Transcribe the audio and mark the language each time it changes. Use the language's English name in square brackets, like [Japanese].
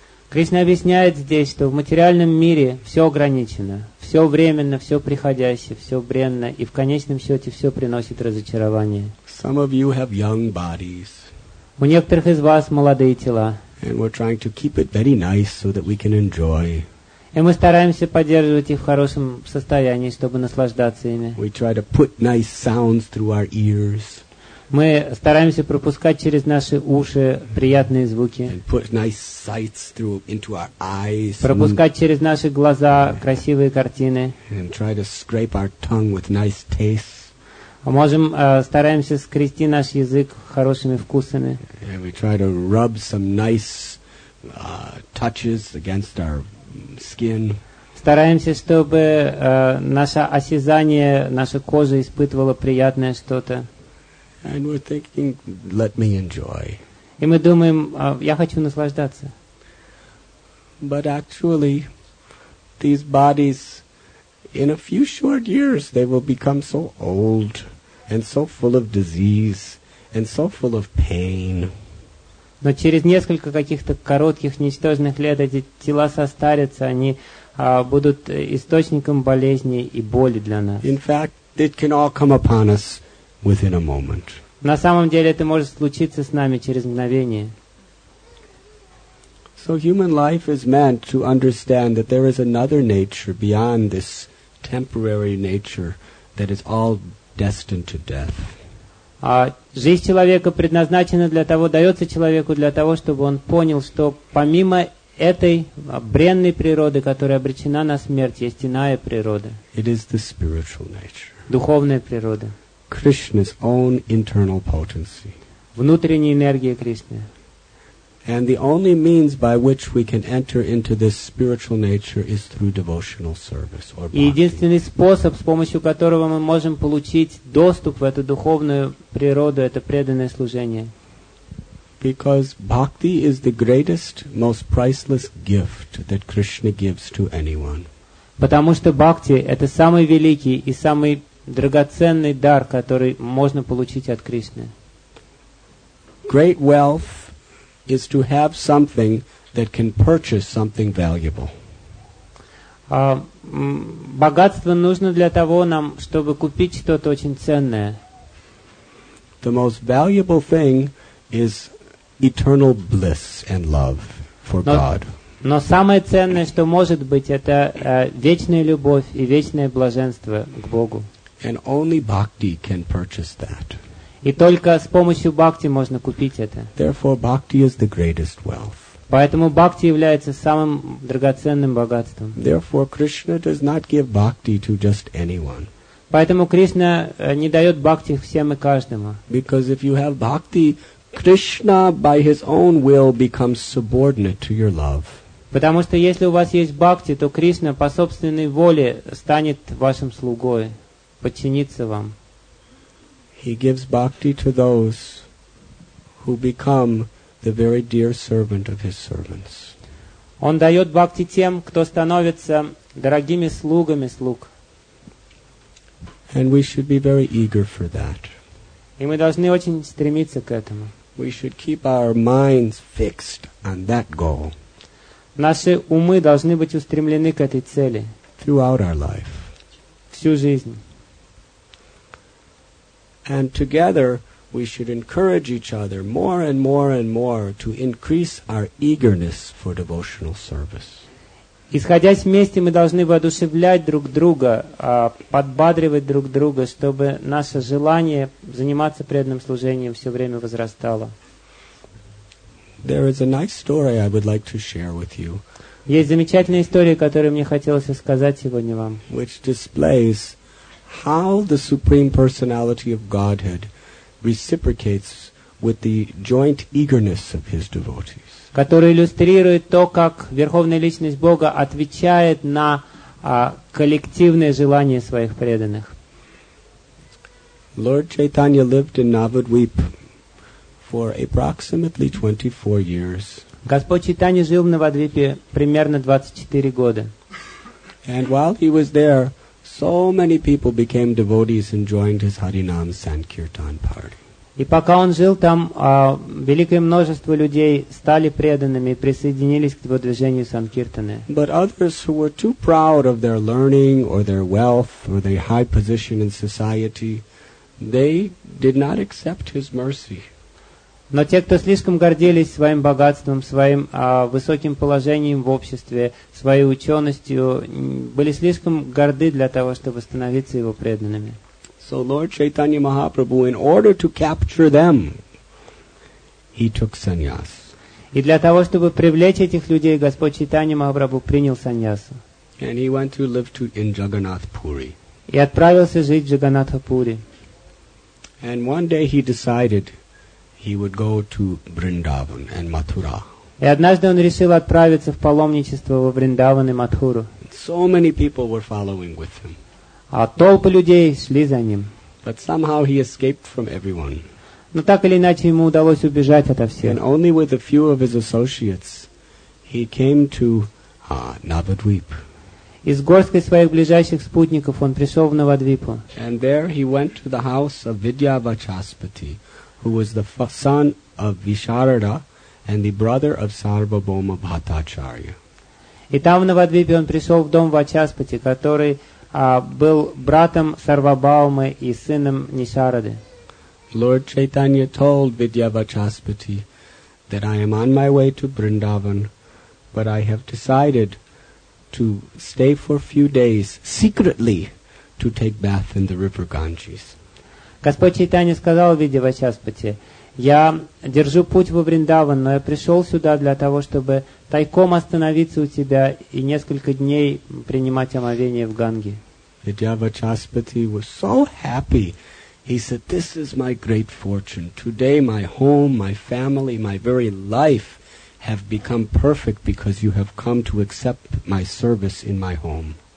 [Russian] Кришна объясняет здесь, что в материальном мире все ограничено, все временно, все приходящее, все бренно, и в конечном счете все приносит разочарование. [English] Some of you have young bodies. [Russian] У некоторых из вас молодые тела. [English] And we're trying to keep it very nice so that we can enjoy. [Russian] И мы стараемся поддерживать их в хорошем состоянии, чтобы наслаждаться ими. [English] We try to put nice sounds through our ears. [Russian] Мы стараемся пропускать через наши уши приятные звуки. [English] And put nice sights through into our eyes. [Russian] Пропускать через наши глаза красивые картины. [English] And try to scrape our tongue with nice tastes. [Russian] Можем, стараемся скрести наш язык хорошими вкусами. [English] And we try to rub some nice touches against our skin. [Russian] Стараемся, чтобы наше осязание, наша кожа испытывала приятное что-то. [English] And we're thinking, let me enjoy. [Russian] И мы думаем, я хочу наслаждаться. [English] But actually, these bodies, in a few short years, they will become so old and so full of disease and so full of pain. [Russian] Но через несколько каких-то коротких ничтожных лет эти тела состарятся, они будут источником болезни и боли для нас. [English] In fact, it can all come upon us within a moment. [Russian] На самом деле это может случиться с нами через мгновение. [English] So human life is meant to understand that there is another nature beyond this temporary nature that is all destined to death. [Russian] Жизнь человека предназначена для того, дается человеку для того, чтобы он понял, что помимо этой бренной природы, которая обречена на смерть, есть иная природа. [English] It is the spiritual nature. [Russian] Духовная природа. [English] Krishna's own internal potency. [Russian] Внутренняя энергия Кришны. [English] And the only means by which we can enter into this spiritual nature is through devotional service or bhakti. [Russian] И единственный способ, с помощью которого мы можем получить доступ в эту духовную природу, это преданное служение. [English] Because bhakti is the greatest, most priceless gift that Krishna gives to anyone. [Russian] Потому что бхакти — это самый великий и самый драгоценный дар, который можно получить от Кришны. [English] Great wealth is to have something that can purchase something valuable. [Russian] Богатство нужно для того нам, чтобы купить что-то очень ценное. [English] The most valuable thing is eternal bliss and love for God. [Russian] Но самое ценное, что может быть, это вечная любовь и вечное блаженство к Богу. [English] And only bhakti can purchase that. [Russian] И только с помощью бхакти можно купить это. [English] Therefore, bhakti is the greatest wealth. [Russian] Поэтому бхакти является самым драгоценным богатством. [English] Therefore, Krishna does not give bhakti to just anyone. [Russian] Поэтому Кришна не дает бхакти всем и каждому. [English] Because if you have bhakti, Krishna by his own will becomes subordinate to your love. [Russian] Потому что если у вас есть бхакти, то Кришна по собственной воле станет вашим слугой, подчинится вам. [English] He gives bhakti to those who become the very dear servant of his servants. [Russian] Он дает бхакти тем, кто становится дорогими слугами слуг. [English] And we should be very eager for that. [Russian] И мы должны очень стремиться к этому. [English] We should keep our minds fixed on that goal. [Russian] Наши умы должны быть устремлены к этой цели. [English] Throughout our life. [Russian] Всю жизнь. [English] And together we should encourage each other more and more and more to increase our eagerness for devotional service. [Russian] Исходясь вместе, мы должны воодушевлять друг друга, подбадривать друг друга, чтобы наше желание заниматься преданным служением все время возрастало. [English] There is a nice story I would like to share with you. [Russian] Есть замечательная история, которую мне хотелось рассказать сегодня вам. [English] Which displays how the Supreme Personality of Godhead reciprocates with the joint eagerness of his devotees. [Russian] Который иллюстрирует то, как Верховная Личность Бога отвечает на коллективное желание своих преданных. [English] Lord Chaitanya lived in Navadvip for approximately 24 years. [Russian] Господь Чайтанья жил в Навадвипе примерно 24 года. [English] And while he was there, so many people became devotees and joined his Harinam Sankirtan party. [Russian] И пока он жил там, великое множество людей стали преданными и присоединились к его движению Санкиртаны. [English] But others who were too proud of their learning or their wealth or their high position in society, they did not accept his mercy. [Russian] Но те, кто слишком гордились своим богатством, своим высоким положением в обществе, своей ученостью, были слишком горды для того, чтобы становиться его преданными. [English] So Lord Chaitanya Mahaprabhu, in order to capture them, he took sannyas. [Russian] И для того, чтобы привлечь этих людей, Господь Чайтанья Махапрабху принял саньясу. [English] And he went to live to in Jagannath Puri. [Russian] И отправился жить в Джаганнатха Пури. [English] And one day he decided he would go to Vrindavan and Mathura. [Russian] И однажды он решил отправиться в паломничество во Вриндаван и Матхуру. [English] So many people were following with him. [Russian] А толпы людей шли за ним. [English] But somehow he escaped from everyone. [Russian] Но так или иначе ему удалось убежать ото всех. [English] And only with a few of his associates he came to Navadvip. [Russian] И с горсткой своих ближайших спутников он пришел в Навадвипу. [English] And there he went to the house of Vidyavachaspati, who was the son of Visharada and the brother of Sarvabhauma Bhattacharya. [Russian] И там, в Навадвипе, он пришел в дом Вачаспати, который был братом Сарвабхаумы и сыном Нишарады. [English] Lord Chaitanya told Vidyavachaspati that I am on my way to Vrindavan, but I have decided to stay for a few days secretly to take bath in the river Ganges. [Russian] Господь Чайтанья сказал в виде Вачаспати: «Я держу путь во Вриндаван, но я пришел сюда для того, чтобы тайком остановиться у тебя и несколько дней принимать омовение в Ганге». [English] Vidya Vachaspati was so happy. He said, "This is my great fortune. Today my home, my family, my very life have become perfect because you have come to accept my service in my home."